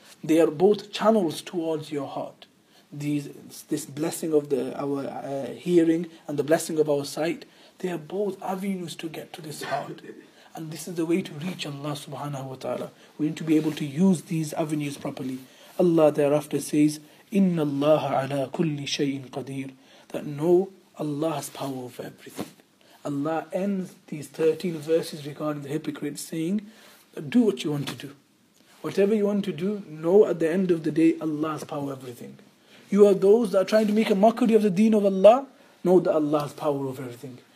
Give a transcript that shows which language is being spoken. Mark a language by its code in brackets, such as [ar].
[en] They are both channels towards your heart. This blessing of our hearing and the blessing of our sight, they are both avenues to get to this heart. And this is the way to reach Allah subhanahu wa ta'ala. We need to be able to use these avenues properly. Allah thereafter says, [ar] إِنَّ اللَّهَ عَلَىٰ كُلِّ شَيْءٍ قَدِيرٍ. [en] That no, Allah has power over everything. Allah ends these 13 verses regarding the hypocrites saying, do what you want to do. Whatever you want to do, know at the end of the day, Allah has power over everything. You are those that are trying to make a mockery of the deen of Allah, know that Allah has power over everything.